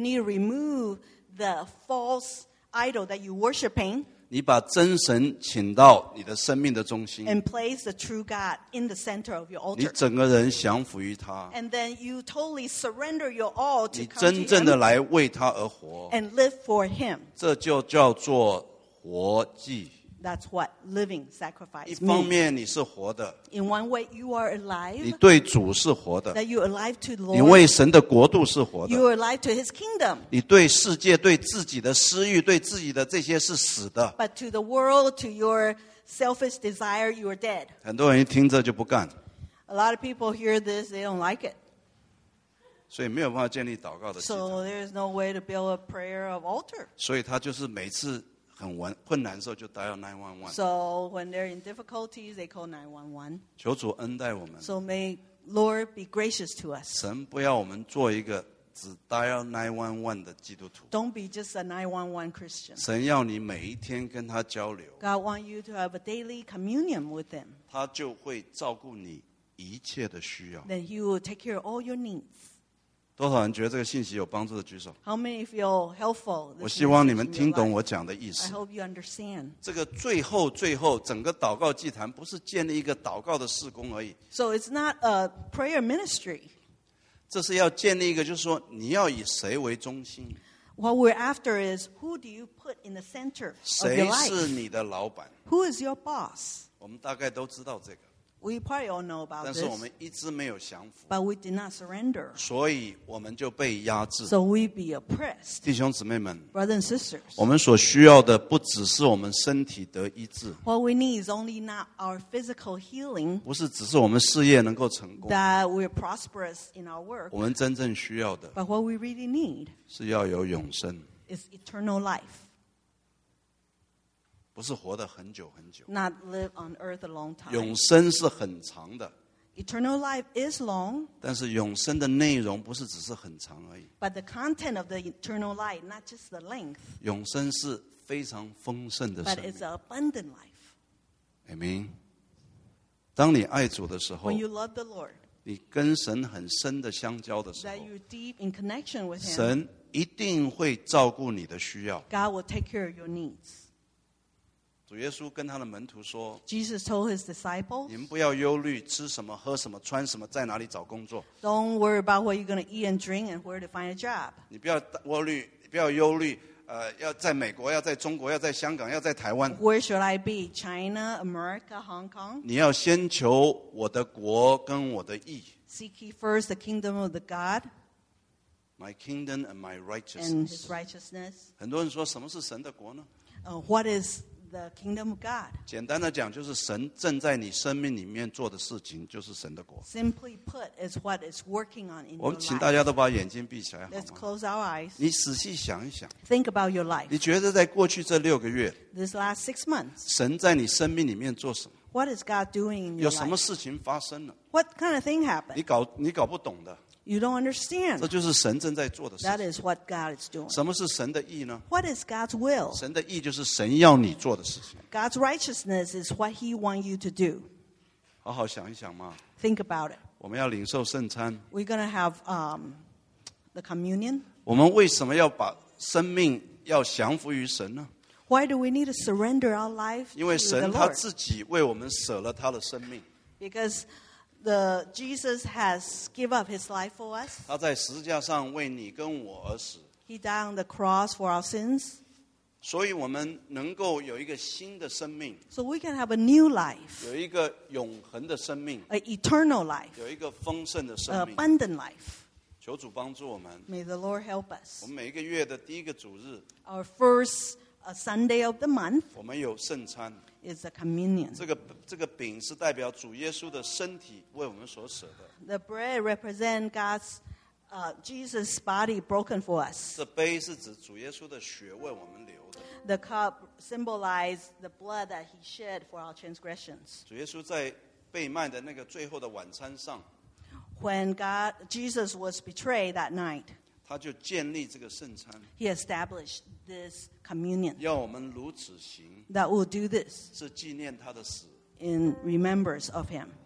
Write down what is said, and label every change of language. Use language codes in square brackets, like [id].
[en] need to remove the false idol that you're worshiping. [zh] 你把真神请到你的生命的中心。 [en] And place the true God in the center of your altar. [zh] 你整个人降服于他。 [en] And then you totally surrender your all to come to him. [zh] 你真正的来为他而活。 [en] And live for him. [zh] 这就叫做活祭。 [en] That's what living sacrifice means. [zh] 一方面你是活的。 [en] In one way, you are alive. [zh] 你对主是活的。 [en] That you're alive to the Lord. [zh] 你为神的国度是活的。 [en] You're alive to his kingdom. [zh] 你对世界、对自己的私欲、对自己的这些是死的。 [en] But to the world, to your selfish desire, you are dead. [zh] 很多人一听这就不干。 [en] A lot of people hear this, they don't like it. [zh] 所以没有办法建立祷告的祭 [en] 坛。So there's no way to build a prayer of altar. [zh] 所以他就是每次很困难的时候就 dial 911。 [en] So when they're in difficulties, they call 911. [zh] 求主恩待我们。 [en] So may Lord be gracious to us. [zh] 神不要我们做一个只 dial 911的基督徒。 [en] Don't be just a 911 Christian. [zh] 神要你每一天跟他交流。 [en] God want you to have a daily communion with him. [zh] 他就会照顾你一切的需要。 [en] Then he will take care of all your needs. [zh] 多少人觉得这个信息有帮助的举手。 [en] How many feel helpful? [zh] 我希望你们听懂我讲的意思。 [en] I hope you understand. [zh] 这个最后，整个祷告祭坛不是建立一个祷告的事工而已。 [en] So it's not a prayer ministry. [zh] 这是要建立一个，就是说你要以谁为中心。 [en] What we're after is who do you put in the center of your life? [zh] 谁是你的老板 [en] ？Who is your boss? [zh] 我们大概都知道这个。 [en] We probably all know about this. [zh] 但是我们一直没有降服。 [en] But we did not surrender. [zh] 所以我们就被压制。 [en] So we be oppressed. [zh] 弟兄姊妹们。 [en] Brothers and sisters. [zh] 我们所需要的不只是我们身体得医治。 [en] What we need is only not our physical healing. [zh] 不是只是我们事业能够成功。 [en] That we're prosperous in our work. [zh] 我们真正需要的。 [en] But what we really need. [zh] 是要有永生。 [en] Is eternal life. [zh] 不是活得很久很久。 [en] Not live on earth a long time. [zh] 永生是很长的。 [en] Eternal life is long. [zh] 但是永生的内容不是只是很长而已。 [en] But the content of the eternal life, not just the length. [zh] 永生是非常丰盛的生命。 [en] But it's an abundant life. [zh] Amen. 当你爱主的时候。 [en] When you love the Lord. [zh] 你跟神很深的相交的时候。 [en] That you're deep in connection with him. [zh] 神一定会照顾你的需要。 [en] God will take care of your needs. [zh] 主耶稣跟他的门徒说 [en] Jesus told his disciples [zh] 你们不要忧虑吃什么喝什么穿什么在哪里找工作 [en] Don't worry about what you're going to eat and drink and where to find a job [zh] 你不要忧虑你不要忧虑要在美国要在中国要在香港要在台湾 [en] Where should I be? China, America, Hong Kong? [zh] 你要先求我的国跟我的义 [en] Seek ye first the kingdom of the God My kingdom and my righteousness And his righteousness [zh] 很多人说什么是神的国呢 [en] What isThe kingdom of God. [zh] 简单的讲，就是神正在你生命里面做的事情，就是神的国。 [en] Simply put, is what is working on in your life. [zh] 我们请大家都把眼睛闭起来，好吗 [en] ？Let's close our eyes. [zh] 你仔细想一想。 [en] Think about your life. [zh] 你觉得在过去这六个月 [en] ，This last six months, [zh] 神在你生命里面做什么 [en] ？What is God doing in your life? [zh] 有什么事情发生了 [en] ？What kind of thing happened? [zh] 你搞不懂的。 [en] You don't understand. [zh] 这就是神正在做的事情。 [en] That is what God is doing. [zh] 什么是神的义呢 [en] ？What is God's will? [zh] 神的义就是神要你做的事情。 [en] God's righteousness is what He wants you to do. [zh] 好好想一想嘛。 [en] Think about it. [zh] 我们要领受圣餐。 [en] We're gonna have the communion. [zh] 我们为什么要把生命要降服于神呢 [en] ？Why do we need to surrender our life to the Lord? [zh] 因为神他自己为我们舍了他的生命。 [en] Because The Jesus has given up his life for us. [zh] 他在十字架上为你跟我而死。 [en] He died on the cross for our sins. [zh] 所以我们能够有一个新的生命。 [en] So we can have a new life. [zh] 有一个永恒的生命。 [en] An eternal life. [zh] 有一个丰盛的生命。 [en] An abundant life. [zh] 求主帮助我们。 [en] May the Lord help us. [zh] 我们每一个月的第一个主日。 [en] Our first Sunday of the month. [zh] 我们有圣餐。 [en] Is a communion. [zh] 这个饼是代表主耶稣的身体为我们所舍的。 [en] The bread represents God's, Jesus' body broken for us. [zh] 这杯是指主耶稣的血为我们流的。 [en] The cup symbolizes the blood that He shed for our transgressions. [zh] 主耶稣在被卖的那个最后的晚餐上 [en] ，When God Jesus was betrayed that night. [zh] 他就建立这个圣餐。 [en] He established this communion. [zh] 要我们如此行。 [en] That will do this [zh] 是纪念他的死 [en] in remembrance of him